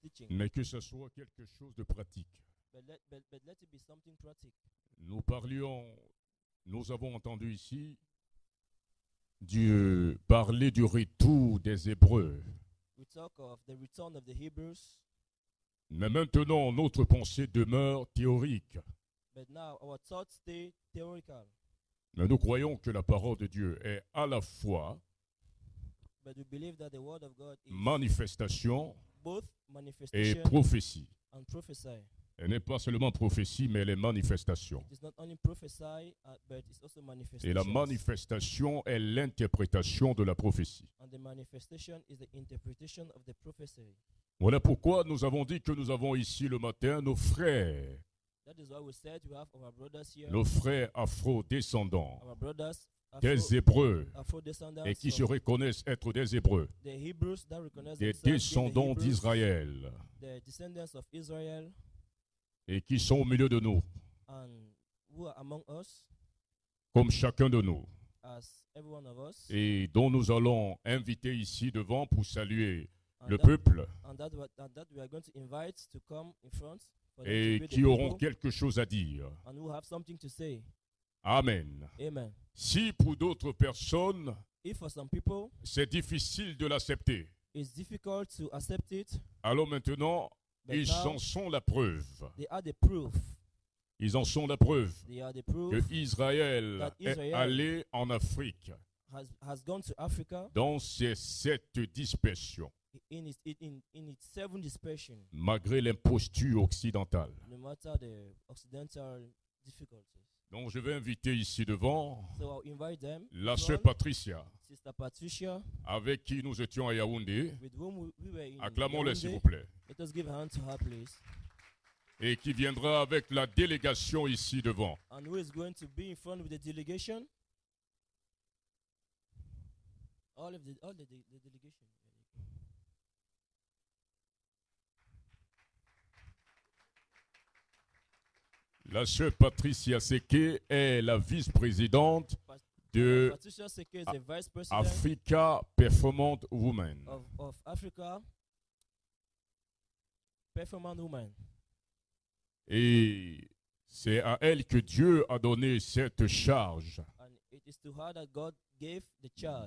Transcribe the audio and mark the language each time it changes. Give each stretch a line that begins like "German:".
French: Mais que ce soit quelque chose de pratique.
English: But let it be something practical.
French: Nous parlions, nous avons entendu ici du parler du retour des Hébreux.
English: We talk of the return of the Hebrews.
French: Mais maintenant, notre pensée demeure théorique.
English: But now our thoughts stay theoretical.
French: Mais nous croyons que la parole de Dieu est à la fois
English: But we believe that the word of God is
French: manifestation,
English: both manifestation
French: et prophétie.
English: And prophesy.
French: Elle n'est pas seulement prophétie, mais elle est manifestation.
English: It is not only prophesy, but it's also manifestation.
French: Et la manifestation est l'interprétation de la prophétie.
English: And the manifestation is the interpretation of the prophecy.
French: Voilà pourquoi nous avons dit que nous avons ici le matin nos frères.
English: That is why we said we have our brothers here,
French: nos frères afro-descendants,
English: our brothers afro,
French: des Hébreux,
English: afro-descendants,
French: et qui se reconnaissent être des Hébreux,
English: the Hebrews that recognize
French: des descendants d'Israël,
English: the descendants of Israel,
French: et qui sont au milieu de nous,
English: and who are among us,
French: comme chacun de nous,
English: as every one of us,
French: et dont nous allons inviter ici devant pour saluer le peuple,
English: and that we are going to invite to come in front,
French: et qui auront quelque chose à dire.
English: And we'll have something to say. Amen. Amen.
French: Si pour d'autres personnes,
English: if for some people,
French: c'est difficile de l'accepter,
English: it's difficult to accept it,
French: alors maintenant, ils en sont la preuve.
English: They are the proof.
French: Ils en sont la preuve
English: they are the proof
French: que Israël est allé en Afrique
English: has gone to Africa
French: dans ses 7 dispersions.
English: In its 7 dispersion,
French: malgré l'imposture occidentale.
English: No matter the occidental difficulties.
French: Donc je vais inviter ici devant
English: so I'll invite them
French: la sœur Patricia,
English: Sister Patricia,
French: avec qui nous étions à Yaoundé.
English: With whom we were in
French: acclamons-les
English: Yaoundé,
French: s'il vous plaît.
English: Let us give a hand to her, please.
French: Et qui viendra avec la délégation ici devant.
English: And who is going to be in front with the delegation? All the delegation.
French: La sœur Patricia Seke est la vice-présidente de Africa Performant Woman.
English: Of Africa Performant Woman.
French: Et c'est à elle que Dieu a donné cette charge,
English: and it is to her that God gave the charge